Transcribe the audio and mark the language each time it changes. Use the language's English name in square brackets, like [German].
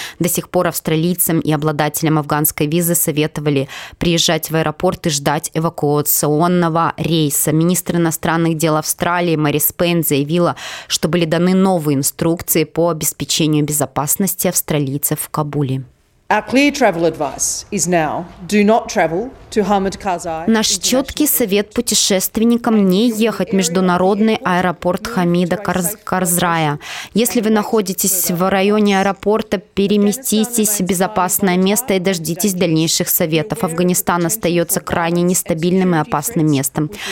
[Russian] До сих пор австралийцам и обладателям афганской визы советовали приезжать в аэропорт и ждать эвакуационного рейса. Министр иностранных дел Австралии Мэри Спейн заявила, что были даны новые инструкции по обеспечению безопасности австралийцев в Кабуле. [English] Our clear travel advice is now: do not travel. [Russian] Наш четкий совет путешественникам – не ехать в международный аэропорт Хамида Карзрая. Если вы находитесь в районе аэропорта, переместитесь в безопасное место и дождитесь дальнейших советов. Афганистан остается крайне нестабильным и опасным местом.